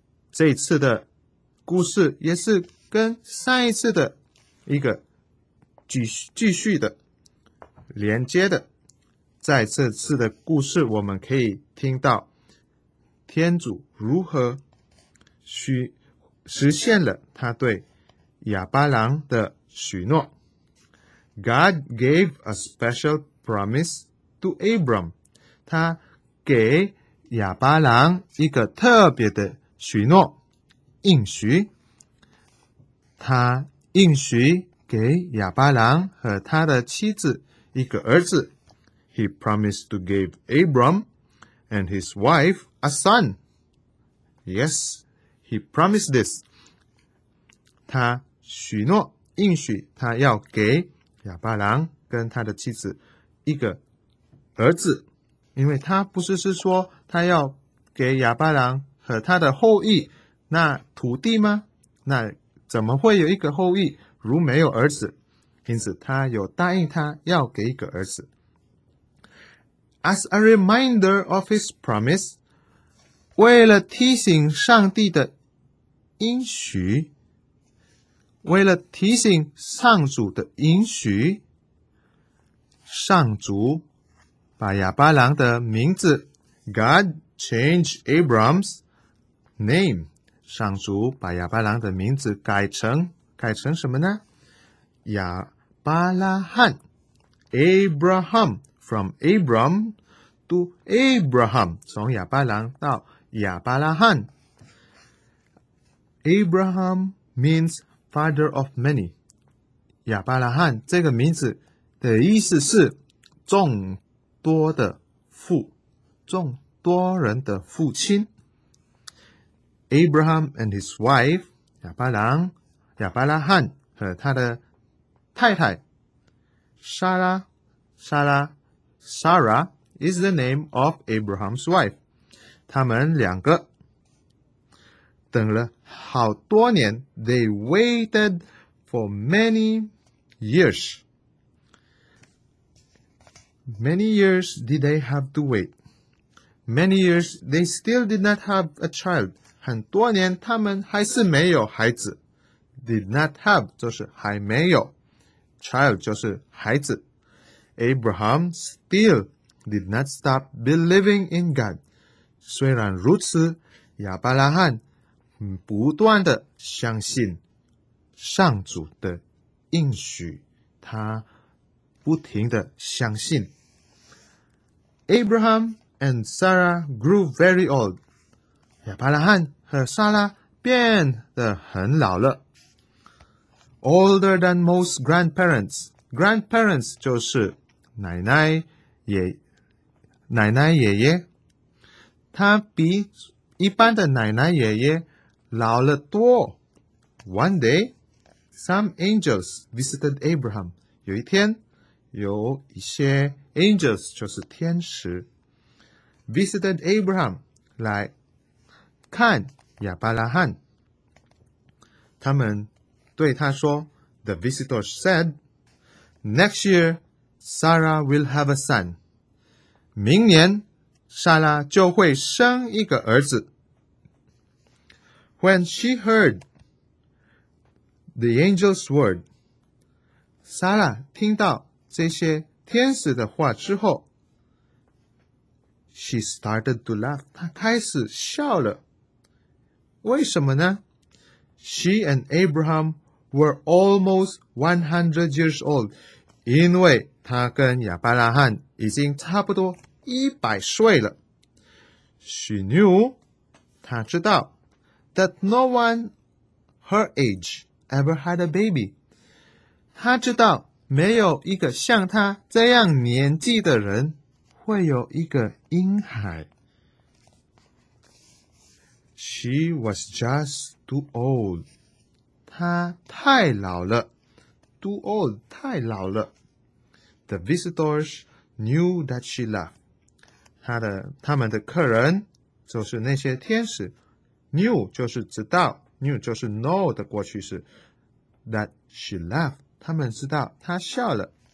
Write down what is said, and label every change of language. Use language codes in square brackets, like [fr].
[zh] 这一次的故事也是跟上一次的一个继续的连接的。在这次的故事我们可以听到天主如何实现了他对亚巴郎的许诺。 [en] God gave a special promise to Abram. [zh] 他给亚巴郎一个特别的许诺应许，他应许给亚巴郎和他的妻子一个儿子。 [en] He promised to give Abram and his wife a son. Yes, he promised this. [zh] 他许诺应许他要给亚巴郎跟他的妻子一个儿子，因为他不是是说他要给亚巴郎和他的后裔那土地吗？那怎么会有一个后裔如没有儿子？因此他有答应他要给一个儿子。 [en] As a reminder of his promise, [zh] 为了提醒上帝的应许，为了提醒上主的应许，上主把亚巴郎的名字 [en] God changed Abram's name. [zh] 上主把亚巴郎的名字改成什么呢？亚巴拉罕 [en] Abraham from Abram to Abraham [zh] 从亚巴郎到亚巴拉罕。 [en] Abraham means father of many. [zh] 亚巴拉罕这个名字的意思是众多的父，众多人的父亲。 [en] Abraham and his wife, [zh] 亚伯拉罕和他的太太莎拉，莎拉 [en] Sarah is the name of Abraham's wife. [zh] 他们两个等了好多年， [en] They waited for many years. Many years did they have to wait? Many years they still did not have a child. [zh] 很多年他们还是没有孩子。 [en] Did not have [zh] 就是还没有， child 就是孩子。 [en] Abraham still did not stop believing in God. [zh] 虽然如此，亚伯拉罕不断地相信上主的应许，他不停地相信。 [en] Abraham and Sarah grew very old. [zh] 亚伯拉罕和撒拉变得很老了。 [en] Older than most grandparents. [zh] Grandparents 就是奶奶爷，奶奶爷爷。他比一般的奶奶爷爷老了多。 [en] One day, some angels visited Abraham. [zh] 有一天，有一些 angels 就是天使 [en] visited Abraham [zh] 来看亚伯拉罕。他们对他说 [en] ，The visitors said, "Next year, Sarah will have a son." [zh] 明年，莎拉就会生一个儿子。 [en] When she heard the angel's word, Sarah [zh] 听到这些天使的话之后， [en] she started to laugh. [zh] 她开始笑了。为什么呢？ [en] She and Abraham were almost 100 years old. [zh] 因为她跟亚伯拉罕已经差不多100岁了。 [en] She knew, [zh] 她知道 [en] that no one her age ever had a baby. [zh] 他知道没有一个像他这样年纪的人会有一个婴孩。 [en] She was just too old. [zh] 他太老了。 Too old, 太老了。 [en] The visitors knew that she laughed. [zh] 他们的客人就是那些天使knew 就是知道， knew 就是 know 的过去式， [en] that she laughed， [zh] 他们知道她笑了。